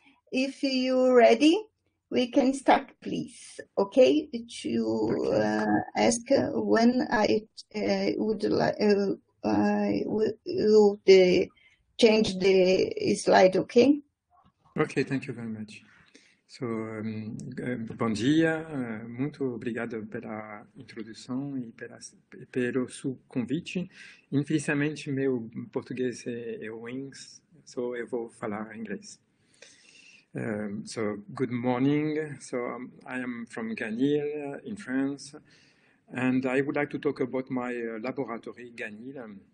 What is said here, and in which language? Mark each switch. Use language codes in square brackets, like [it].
[en] If you're ready, we can start, please. Okay, to ask when I would change the slide, okay? Okay, thank you very much. [pt] So, bom dia, muito obrigado pela introdução e pelo seu convite. Infelizmente, meu português é ruim, so eu vou falar inglês. [en] So, good morning. So, I am from GANIL in France, and I would like to talk about my laboratory, GANIL.